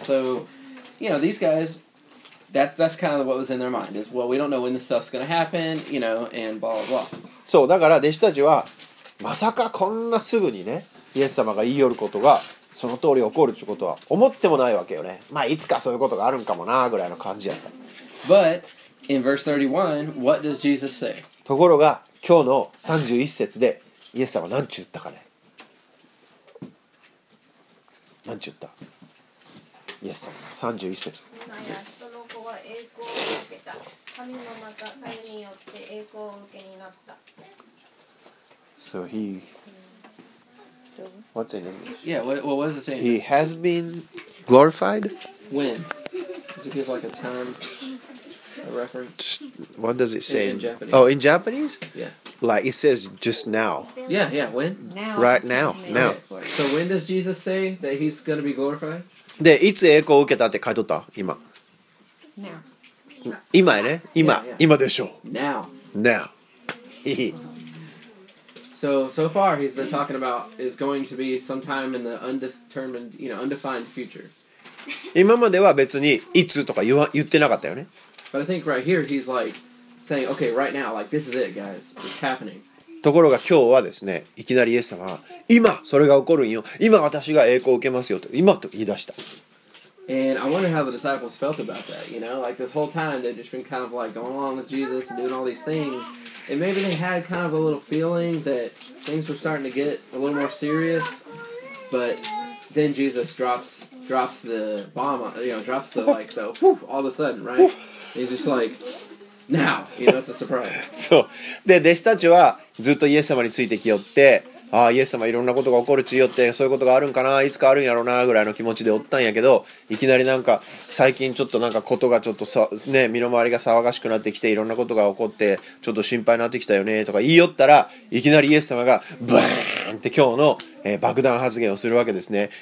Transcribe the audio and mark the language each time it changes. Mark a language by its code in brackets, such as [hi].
[en] So, you know, these guys, that's kind of what was in their mind is, well, we don't know when this stuff's gonna happen, you know, and blah blah blah. [ja] そう、だから弟子たちはまさかこんなすぐにね、イエス様が言い寄ることがその通り起こるってことは思ってもないわけよね。まあいつかそういうことがあるんかもなぐらいの感じやった。 [en] But in verse 31, what does Jesus say? [ja] ところが今日の31節でイエス様は何ちゅったかね。何ちゅった？イエス様31節。その子は栄光を受けた。神の中、神によって栄光を受けになった。 [en] So he... What's in English? Yeah, what was it saying? He has been glorified? When? Does it give like a time, a reference? Just, what does it say? In Japanese. Oh, in Japanese? Yeah. Like it says just now. Yeah, yeah, when? Now. Right now, now. Okay. So when does Jesus say that he's going to be glorified? [ja] で、いつ栄光を受けたって書いとった？今。 [en] Now. [ja] 今やね。今。 [en] Yeah, yeah. [ja] 今でしょ。 [en] Now. Now. So far he's been talking about is going to be sometime in the undetermined, you know, undefined future. [ja] 今までは別にいつとか言ってなかったよね。 [en] But I think right here he's like saying, okay, right now, like this is it, guys, it's happening. [ja] ところが今日はですね、いきなりイエス様は今それが起こるんよ、今私が栄光を受けますよと今と言い出した。 [en] And I wonder how the disciples felt about that, you know? Like this whole time they've just been kind of like going along with Jesus and doing all these things. And maybe they had kind of a little feeling that things were starting to get a little more serious. But then Jesus drops the bomb, you know, drops the like the whoo, all of a sudden, right? And he's just like, now, you know, it's a surprise. [ja] So, で、弟子たちはずっとイエス様についてきよって、ああイエス様いろんなことが起こるちよってそういうことがあるんかないつかあるんやろなぐらいの気持ちでおったんやけど、いきなりなんか最近ちょっとなんかことがちょっとさ、ね、身の回りが騒がしくなってきていろんなことが起こってちょっと心配になってきたよねとか言いよったら、いきなりイエス様がブーンって今日の、爆弾発言をするわけですね。